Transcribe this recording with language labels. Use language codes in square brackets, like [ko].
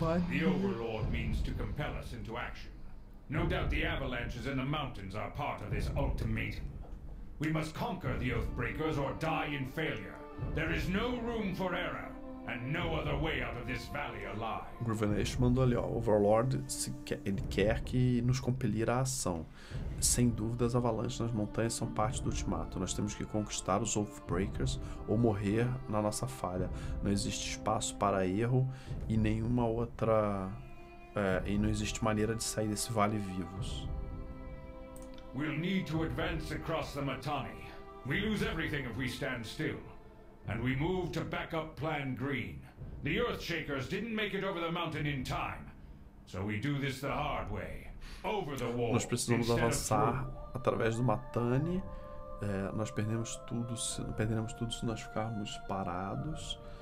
[en] The Overlord means to compel us into action. No doubt the avalanches in the mountains are part of this ultimatum. We must conquer the Oathbreakers or die in failure. There is no room for error, and no other way out of this valley alive. [pt] O Gruvenesh mandou ali, ó, o Overlord se quer, ele quer que nos compelir à ação. Sem dúvida, as avalanches nas montanhas são parte do ultimato. Nós temos que conquistar os Oathbreakers ou morrer na nossa falha. Não existe espaço para erro e nenhuma outra. É, e não existe maneira de sair desse vale vivos. [en] We'll need to advance across the Mitanni. We lose everything if we stand still. And we move to back up Plan Green. The Earthshakers didn't make it over the mountain in time. So we do this the hard way. [pt] Nós precisamos avançar através do Mitanni. É, nós perderemos tudo se nós ficarmos parados.